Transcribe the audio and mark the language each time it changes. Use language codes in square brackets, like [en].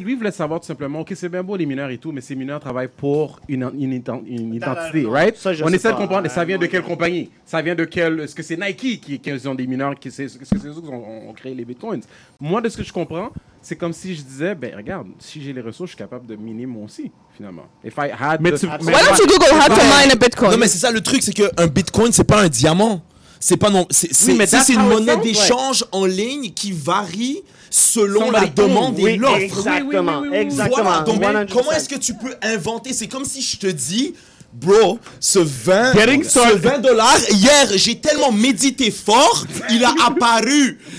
[fr] Lui, il voulait savoir tout simplement, OK, c'est bien beau, les mineurs et tout, mais ces mineurs travaillent pour une identité, right? On essaie de comprendre. Ça vient de quelle compagnie? Ça vient de quel... Est-ce que c'est Nike qui ont des mineurs? Est-ce que c'est eux qui ont créé les bitcoins? Moi, de ce que je comprends, c'est comme si je disais, ben regarde, si j'ai les ressources, je suis capable de miner moi aussi, finalement. [en] If I had why don't you Google how to mine a bitcoin? [fr] Non, mais c'est ça, le truc, c'est qu'un bitcoin, c'est pas un diamant. C'est pas non... c'est une monnaie d'échange en ligne qui varie selon la demande et l'offre. Exactement. Donc, comment est-ce que tu peux inventer? C'est comme si je te dis... Bro, ce 20, $20, hier, j'ai tellement médité fort, il a apparu.